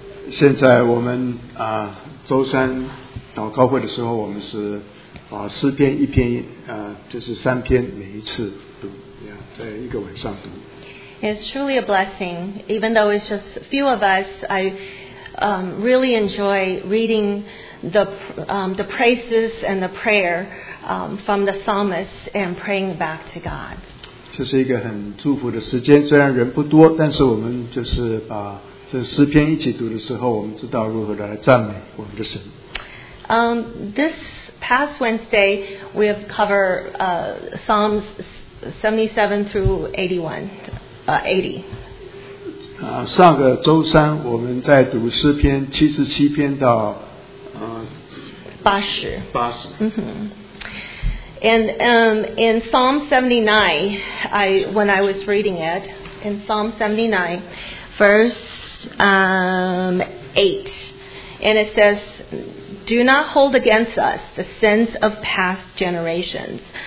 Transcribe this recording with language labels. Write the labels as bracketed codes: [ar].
[zh] 现在我们周三祷告会的时候，我们是诗篇一篇，就是三篇每一次读，在一个晚上读。 [en] It's truly a blessing, even though it's just a few of us. I really enjoy reading the praises and the prayer from the psalmist and praying back to God. [zh] 这是一个很祝福的时间，虽然人不多，但是我们就是把这诗篇一起读的时候，我们知道如何来赞美我们的神。 [en] This past Wednesday, we have covered Psalms 77 through 81. [zh] 上个周三我们在读诗篇七十七篇到八十。 Mm-hmm. [en] And in Psalm 79, when I was reading it, in Psalm 79, verse 8, and it says, Do not hold against us the sins of past generations.